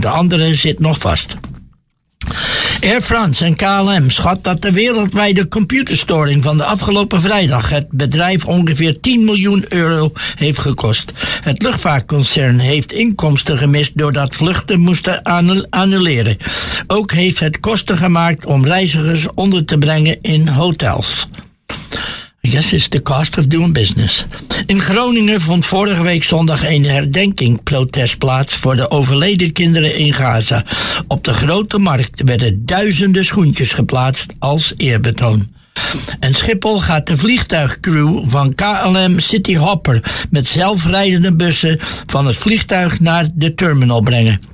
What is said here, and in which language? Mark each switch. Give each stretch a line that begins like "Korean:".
Dutch: De andere zit nog vast. Air France en KLM schat dat de wereldwijde computerstoring van de afgelopen vrijdag het bedrijf ongeveer 10 miljoen euro heeft gekost. Het luchtvaartconcern heeft inkomsten gemist doordat vluchten moesten annuleren. Ook heeft het kosten gemaakt om reizigers onder te brengen in hotels.
English: I guess it's the cost of doing business.
Dutch: In Groningen vond vorige week zondag een herdenkingprotest plaats voor de overleden kinderen in Gaza. Op de grote markt werden duizenden schoentjes geplaatst als eerbetoon. En Schiphol gaat de vliegtuigcrew van KLM Cityhopper met zelfrijdende bussen van het vliegtuig naar de terminal brengen.